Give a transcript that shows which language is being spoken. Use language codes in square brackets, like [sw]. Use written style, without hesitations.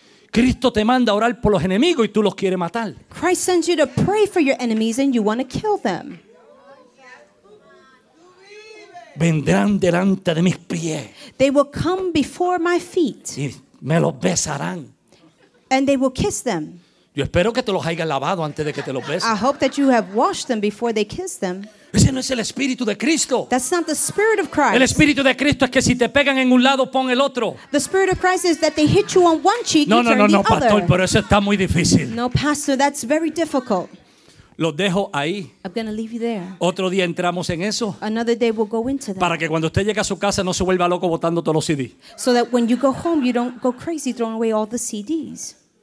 [es] Cristo te manda a orar por los enemigos y tú los quieres matar. [en] Christ sends you to pray for your enemies and you want to kill them. [es] Vendrán delante de mis pies. [en] They will come before my feet. [es] Y me los besarán. [en] And they will kiss them. [es] Yo espero que te los hayas lavado antes de que te los besen. [en] I hope that you have washed them before they kiss them. [es] Ese no es el espíritu de Cristo. [en] That's not the spirit of Christ. [es] El espíritu de Cristo es que si te pegan en un lado, pon el otro. [en] The spirit of Christ is that they hit you on one cheek, [es] no, [en] you [es] no, [en] turn [es] no, [en] the [es] no, [en] other. [es] No, no, no, pastor, pero eso está muy difícil. [en] No, pastor, that's very difficult. [es] Los dejo ahí. [en] I'm going to leave you there. [es] Otro día entramos en eso. [en] Another day we'll go into that. [es] Para que cuando usted llegue a su casa no se vuelva loco botando todos los CDs. [en] So that when you go home you don't go crazy throwing away all the CDs.